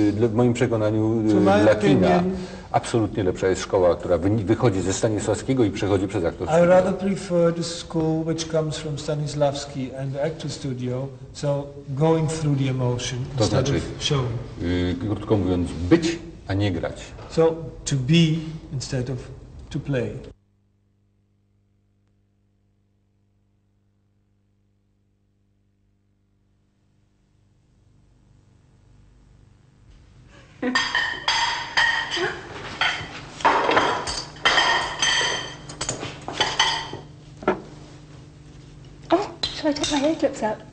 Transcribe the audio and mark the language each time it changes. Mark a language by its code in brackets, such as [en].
[pl] W moim przekonaniu dla kina absolutnie lepsza jest szkoła, która wychodzi ze Stanisławskiego i przechodzi przez aktor studio. [en] I rather prefer the school which comes from Stanislavski and actor studio, so going through the emotion instead [pl] to znaczy, [en] of showing. [pl] Krótko mówiąc, być, a nie grać. [en] So to be instead of to play. Oh, shall I take my hair clips out?